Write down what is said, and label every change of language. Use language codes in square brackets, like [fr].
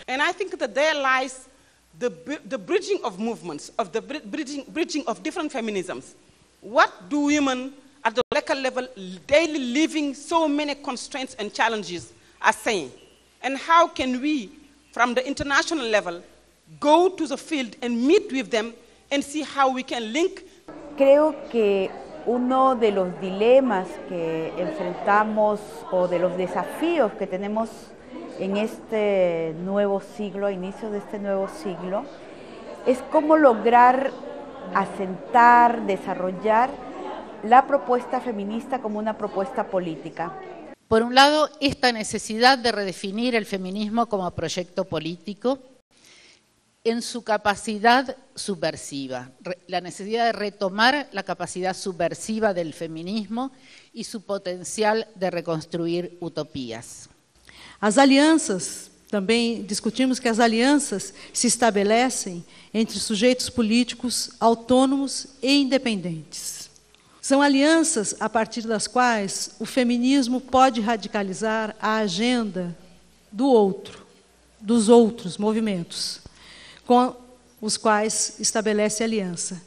[en] And I think that there lies the bridging of movements, of the bridging of different feminisms. What do women at the local level, daily living so many constraints and challenges, are saying? And how can we, from the international level, go to the field and meet with them and see how we can link? [es] Creo que uno de los dilemas que enfrentamos o de los desafíos que tenemos en este nuevo siglo, a inicio de este nuevo siglo, es cómo lograr asentar, desarrollar la propuesta feminista como una propuesta política. Por un lado, esta necesidad de redefinir el feminismo como proyecto político en su capacidad subversiva, la necesidad de retomar la capacidad subversiva del feminismo y su potencial de reconstruir utopías. [pt] As alianças, também discutimos que as alianças se estabelecem entre sujeitos políticos autônomos e independentes. São alianças a partir das quais o feminismo pode radicalizar a agenda do outro, dos outros movimentos com os quais estabelece aliança.